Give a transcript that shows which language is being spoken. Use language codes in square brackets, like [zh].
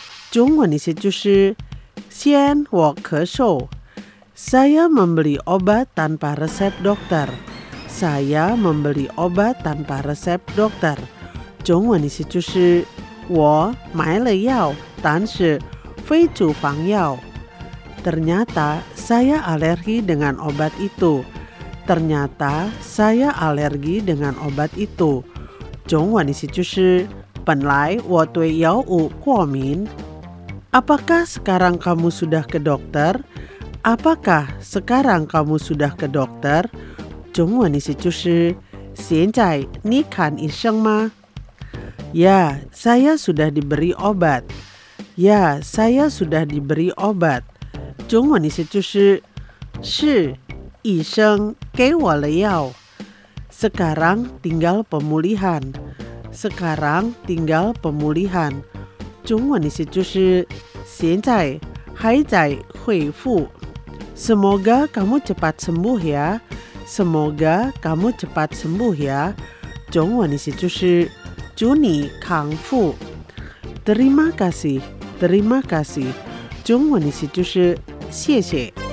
[zh] 中文意思就是先我咳嗽。 [id] Saya membeli obat tanpa resep dokter。 Saya membeli obat tanpa resep dokter。 [zh] 中文意思就是我买了药，但是非处方药。 [id] Ternyata saya alergi dengan obat itu. Ternyata saya alergi dengan obat itu. [zh] 中文意思就是，本来我对药物过敏。 [id] Apakah sekarang kamu sudah ke dokter? Apakah sekarang kamu sudah ke dokter? [zh] 中文意思就是，现在你看医生吗？ [id] Ya, saya sudah diberi obat. Ya, saya sudah diberi obat. [zh] 中文意思就是，是医生给我了药。 [id] Sekarang tinggal pemulihan. Sekarang tinggal pemulihan. [zh] 中文意思就是，现在还在恢复。 [id] Semoga kamu cepat sembuh ya. Semoga kamu cepat sembuh ya. [zh] 中文意思就是，祝你康复。 [id] Terima kasih. Terima kasih. [zh] 中文意思就是。谢谢。